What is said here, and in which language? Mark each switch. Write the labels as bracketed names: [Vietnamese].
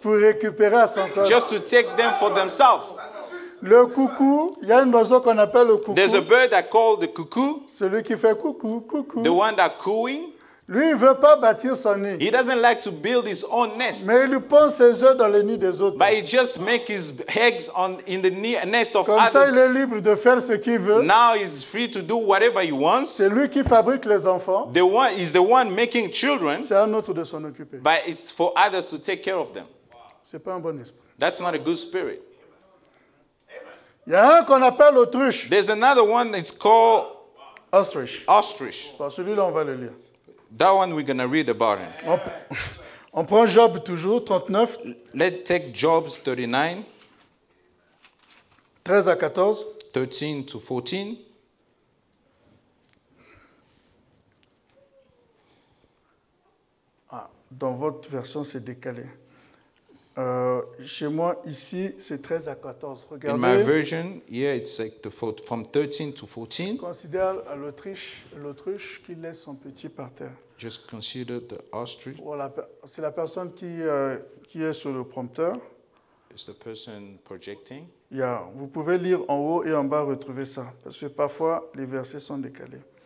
[French] pour récupérer à son corps. [English] Just to take them for themselves. [French] Le coucou, il y a un oiseau qu'on appelle le coucou. [English] There's a bird that called the cuckoo. [French] Celui qui fait coucou, coucou. [English] The one that cooing. [French] Lui, il veut pas bâtir son nid. [English] He doesn't like to build his own nest. [French] Mais il pond ses œufs dans le nid des autres. [English] But he just makes his eggs in the nest of [French] comme [English] others. [French] Comme ça, il est libre de faire ce qu'il veut. [English] Now he's free to do whatever he wants. [French] C'est lui qui fabrique les enfants. [English] The one is the one making children. [French] C'est un autre de s'en occuper. [English] But it's for others to take care of them. [French] C'est pas un bon esprit. [English] That's not a good spirit. [French] Il y a un qu'on appelle l'autruche. [English] There's another one that's called ostrich. Ostrich. [French] Bon, celui-là, on va le lire. [English] That one we're going to read about him. [French] On prend Job toujours, 39. [English] Let's take Job's 39. [French] 13 à 14. [English] 13 to 14. [French] Ah, dans votre version, c'est décalé. Chez moi, ici, c'est 13 à 14. Regardez. [English] In my version, here, it's like from 13 to 14. [French] Considère l'autruche qui laisse son petit par terre. [English] Just consider the ostrich. [French] Voilà, c'est la personne qui est sur le prompteur. [English] It's the person projecting. [French] Yeah, vous pouvez lire en haut et en bas, retrouver ça. Parce que parfois, les versets sont décalés.